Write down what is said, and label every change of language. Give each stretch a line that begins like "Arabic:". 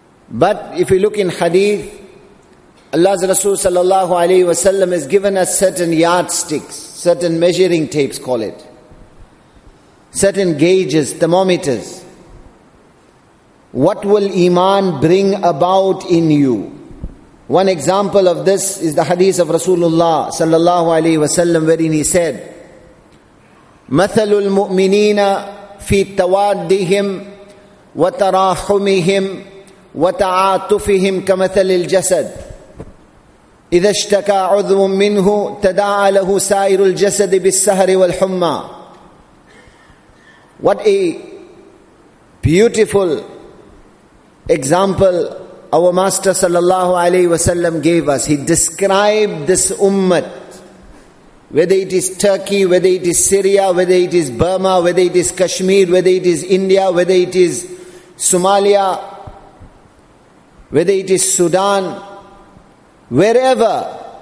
English: But if we look in Hadith, Allah's Rasul sallallahu alayhi wa sallam has given us certain yardsticks, certain measuring tapes, call it. Certain gauges, thermometers. What will Iman bring about in you? One example of this is the hadith of Rasulullah sallallahu alayhi wa sallam, wherein he said,
Arabic: مَثَلُ الْمُؤْمِنِينَ فِي تَوَادِّهِمْ وَتَرَاحُمِهِمْ وَتَعَاتُفِهِمْ كَمَثَلِ الْجَسَدِ إِذَا اشْتَكَى عُذْوٌ مِّنْهُ تَدَعَى لَهُ سَائِرُ الْجَسَدِ بِالسَّهَرِ وَالْحُمَّى.
English: What a beautiful example our Master sallallahu alayhi wa sallam gave us. He described this ummah, whether it is Turkey, whether it is Syria, whether it is Burma, whether it is Kashmir, whether it is India, whether it is Somalia, whether it is Sudan, wherever.